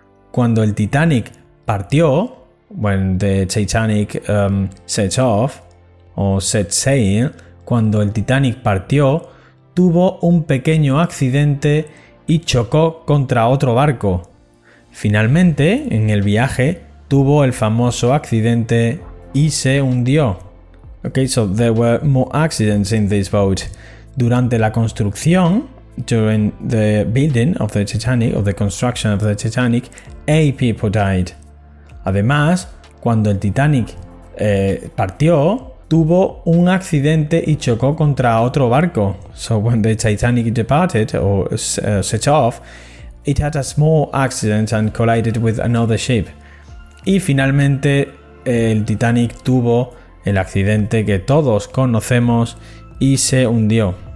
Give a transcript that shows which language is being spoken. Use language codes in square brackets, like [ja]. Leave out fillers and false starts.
[es] Cuando el Titanic partió, [en] when the Titanic set off or set sail, [es] cuando el Titanic partió, tuvo un pequeño accidente y chocó contra otro barco. Finalmente, en el viaje, tuvo el famoso accidente y se hundió. [en] Okay, so there were more accidents in this boat. [es] Durante la construcción, [en] during the building of the Titanic, or the construction of the Titanic, 8 people died. [es] Además, cuando el Titanic partió, tuvo un accidente y chocó contra otro barco. [en] So when the Titanic departed or set off, it had a small accident and collided with another ship. [es] Y finalmente el Titanic tuvo el accidente que todos conocemos y se hundió.